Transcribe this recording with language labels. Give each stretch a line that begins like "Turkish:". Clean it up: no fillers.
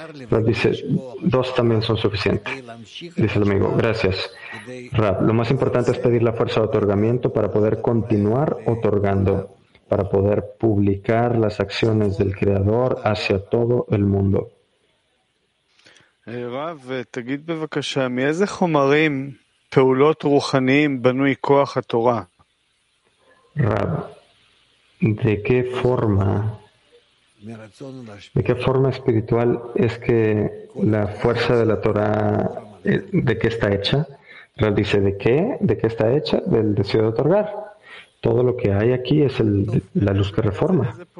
Spanish: Rab dice, dos también son suficientes. Dice el amigo, gracias. Rab, lo más importante es pedir la fuerza de otorgamiento para poder continuar otorgando, para poder publicar las acciones del Creador hacia todo el mundo.
Hebrew: רב, תגיד בבקשה, מאיזה חומרים, פעולות רוחניים, בנוי כוח התורה?
Spanish: רב, de qué forma espiritual es que la fuerza de la Torah, de qué está hecha? Rab dice, ¿de qué está hecha? Del deseo de otorgar. Todo lo que hay aquí es la luz que reforma.